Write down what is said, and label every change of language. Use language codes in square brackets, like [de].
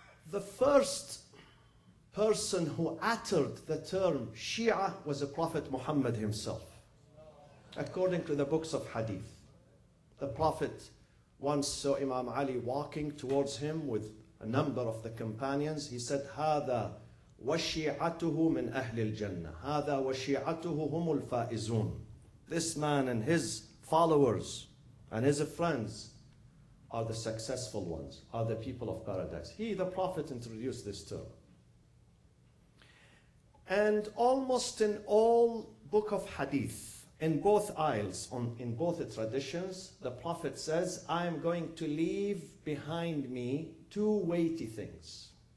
[en] The first person who uttered the term Shia was the Prophet Muhammad himself. According to the books of Hadith, the Prophet once saw Imam Ali walking towards him with a number of the companions. [ar] He said, هذا وشيعته من أهل الجنة. هذا وشيعته هم الفائزون. [en] This man and his followers and his friends are the successful ones, are the people of paradise. He, the Prophet, introduced this term. And almost in all book of hadith, in both aisles, in both traditions, the Prophet says, I am going to leave behind me two weighty things.